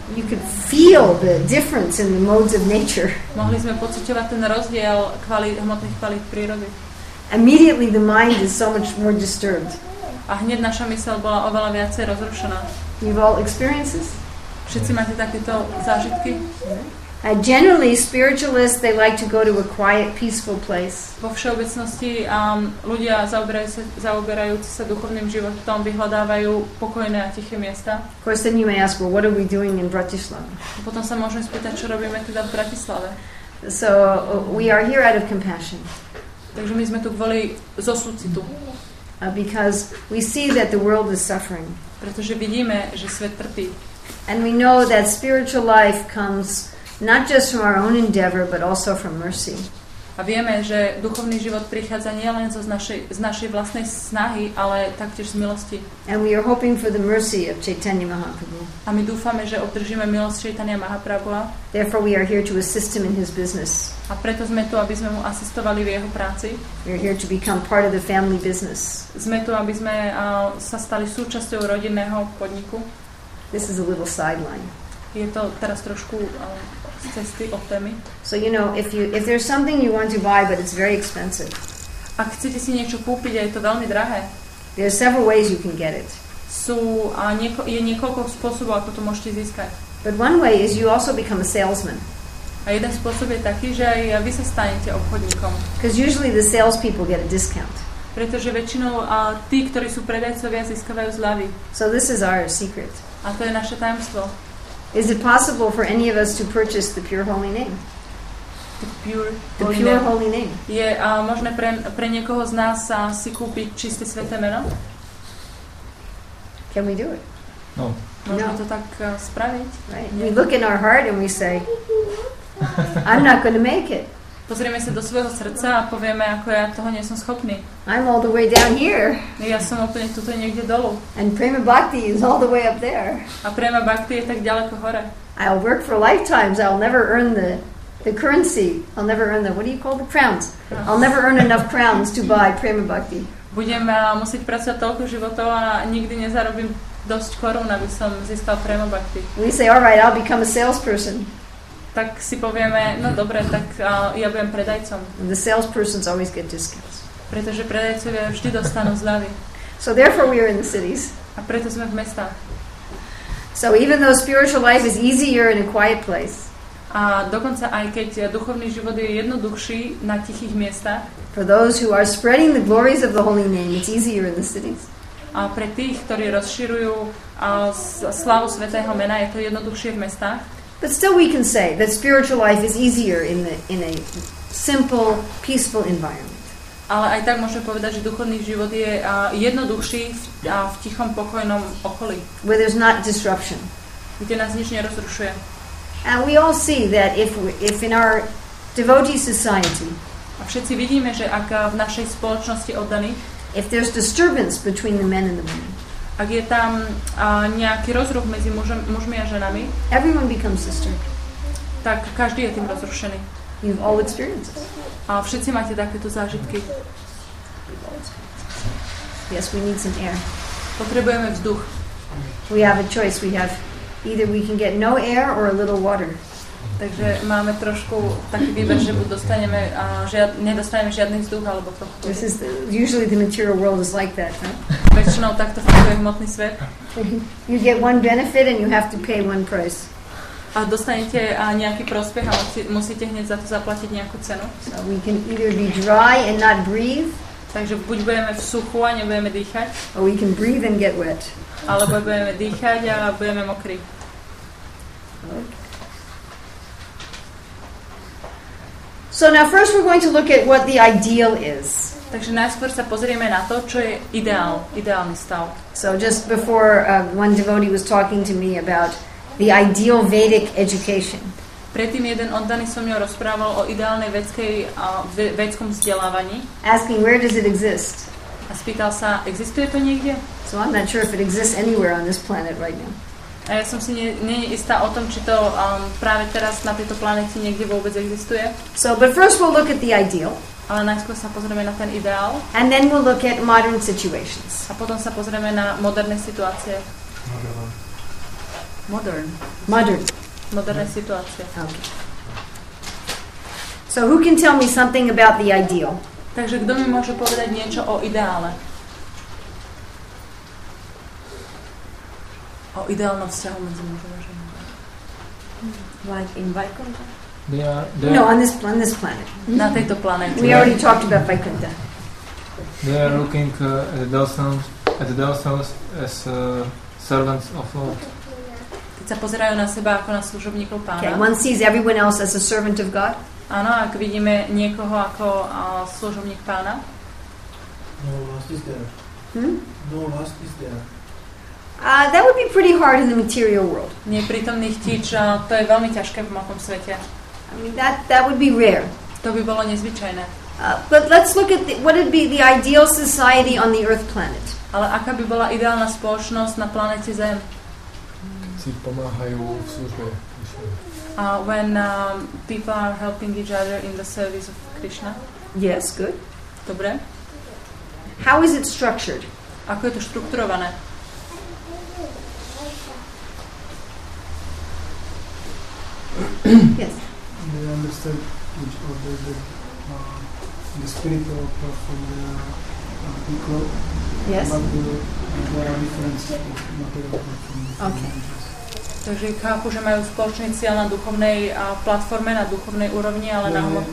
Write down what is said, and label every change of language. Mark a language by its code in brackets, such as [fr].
[en] You could feel the difference in the modes of nature. [sk] Mohli sme pociťovať ten rozdiel hmotných kvalít prírody. [en] Immediately the mind is so much more disturbed. [sk] A hneď naša myseľ bola oveľa viacej rozrušená. [en] You've all experiences? [sk] Všetci máte takéto zážitky? [en] Generally, spiritualists, they like to go to a quiet, peaceful place. [sk] Vo všeobecnosti ľudia zaoberajúci sa duchovným životom vyhľadávajú pokojné a tiché miesta. [en] Of course, then you may ask, well, what are we doing in Bratislava? [sk] A potom sa môžeme spýtať, čo robíme teda v Bratislave. [en] So, we are here out of compassion. [sk] Takže my sme tu kvôli zo súcitu. [en] Because we see that the world is suffering. [sk] Pretože vidíme, že svet trpí. [en] And we know that spiritual life comes not just from our own endeavor, but also from mercy. [sk] A vieme, že duchovný život prichádza nielen z našej vlastnej snahy, ale taktiež z milosti. [en] And we are hoping for the mercy of Chaitanya Mahaprabhu. [sk] A my dúfame, že obdržíme milosť Chaitanya Mahaprabhuha. [en] Therefore we are here to assist him in his business. [sk] A preto sme tu, aby sme mu asistovali v jeho práci. [en] We are here to become part of the family business. [sk] Sme tu, aby sme sa stali súčasťou rodinného podniku. [en] This is a little sideline. [sk] Je to teraz trošku z cesty od témy. [en] So you know, if there's something you want to buy but it's very expensive. [sk] A chcete si niečo kúpiť a je to veľmi drahé. [en] There are several ways you can get it. [sk] Je niekoľko spôsobov, ako to môžete získať. [en] But one way is you also become a salesman. [sk] A jeden spôsob je taký, že aj vy sa stanete obchodníkom. [en] Because usually the sales people get a discount. [sk] Pretože väčšinou tí, ktorí sú predajcovia, získavajú zľavy. [en] So this is our secret. [sk] A to je naše tajomstvo. [en] Is it possible for any of us to purchase the pure holy name? The pure holy name. [sk] Je možné pre niekoho z nás si kúpiť čisté sväté meno? [en] Can we do it? No. [sk] Môžeme to tak spraviť? [en] Right. We look in our heart and we say, I'm not going to make it. [sk] Pozrieme sa do svojho srdca a povieme, ako ja toho nie som schopný. [en] I'm all the way down here. [sk] Ja som úplne tuto niekde dolu. [en] And Prema Bhakti is all the way up there. [sk] A Prema Bhakti je tak ďaleko hore. [en] I'll work for lifetimes. I'll never earn the currency. I'll never earn the, what do you call the crowns? No. I'll never earn enough crowns to buy Prema Bhakti. [sk] Budem musieť pracovať toľko životov a nikdy nezarobím dosť korún, aby som získal Prema Bhakti. [en] We say, all right, I'll become a salesperson. [sk] Tak si povieme, no dobre, tak ja budem predajcom. [en] The salespersons always get discounts. [sk] Pretože predajcovia vždy dostanú zľavy. [en] So therefore we are in the cities. [sk] A preto sme v mestách. [en] So even though spiritual life is easier in a quiet place. [sk] A dokonca aj keď duchovný život je jednoduchší na tichých miestach. [en] For those who are spreading the glories of the holy name, it's easier in the cities. [sk] A pre tých, ktorí rozširujú slávu svätého mena, je to jednoduchšie v mestách. [en] But still we can say that spiritual life is easier in a simple, peaceful environment. [sk] Ale aj tak môžeme povedať, že duchovný život je jednoduchší v tichom, pokojnom okolí. [en] Where there's not disruption. [sk] Kde nás nič nerozrušuje. [en] And we all see that if in our devotee society. [sk] A všetci vidíme, že ak v našej spoločnosti oddaní. [en] If there's disturbance between the men and the women. [sk] Ak je tam nejaký rozruch medzi mužmi a ženami, [en] everyone becomes disturbed. [sk] Tak každý je tým rozrušený. [en] You've all experiences. [sk] A všetci máte takéto zážitky. [en] Yes, we need some air. [sk] Potrebujeme vzduch. [en] We have a choice. We have either we can get no air or a little water. [sk] Takže máme trošku taký výber, že buď dostaneme nedostaneme žiadny vzduch alebo trochu. [en] This is usually the material world is like that, huh? [sk] Väčšinou takto funguje hmotný svet. [en] You get one benefit and you have to pay one price. [cs] a dostanete nějaký prospěch a musíte hned za to zaplatit nějakou cenu. [en] So we can either be dry and not breathe. [sk] Takže buď budeme v suchu a nebudeme dýchat. [en] Or we can breathe and get wet. [sk] Alebo budeme dýchat a budeme mokrý. [en] So now first we're going to look at what the ideal is. [sk] Takže najskôr sa pozrieme na to, čo je ideál, ideálny stav. [en] So just before one devotee was talking to me about the ideal Vedic education. [sk] Predtým jeden oddaný so mnou rozprával o ideálnej vedskej vedskom vzdelávaní. [en] Asking where does it exist? [sk] A spýtal sa, existuje to niekde? [en] So I'm not sure if it exists anywhere on this planet right now. [sk] A ja som si nie istá o tom, či to práve teraz na tejto planete niekde vôbec existuje. [en] So but first we'll look at the ideal. [sk] Ale najskôr sa pozrieme na ten ideál. [en] And then we'll look at modern situations. [sk] A potom sa pozrieme na moderné situácie. [en] Modern. [sk] Modern. Moderné situácie. [en] Okay. So who can tell me something about the ideal? [sk] Takže kto mi môže povedať niečo o ideále? O ideálnom vzťahu medzi mužom a ženou. [en] Like in Vaikuntha? They are no, on this planet. [sk] Na tejto planete. [en] We already talked about Vaikuntha. They are looking at themselves as servants of Lord. [sk] Keď sa pozerajú na seba ako na služobníkov Pána. [en] Okay, one sees everyone else as a servant of God. [sk] Áno, ak vidíme niekoho ako služobník Pána. [en] No lust is there. No lust is there. That would be pretty hard in the material world. [sk] Neprítomný chtíč, to je veľmi ťažké v mokom svete. [en] I mean that would be rare. [sk] To by bolo nezvyčajné. [en] But let's look at what would be the ideal society on the Earth planet. [sk] Ale aká by bola ideálna spoločnosť na planete Zem? Si pomáhajú v službe. [en] When people are helping each other in the service of Krishna. Yes, good. [sk] Dobre. [en] How is it structured? [sk] Ako je to štrukturované? [en] Yes. They understand each other, the spiritual part from the people. Yes. But there are differences of material part from the okay. [sk] Takže chápu, že majú spoločný cieľ na duchovnej platforme, na duchovnej úrovni, ale na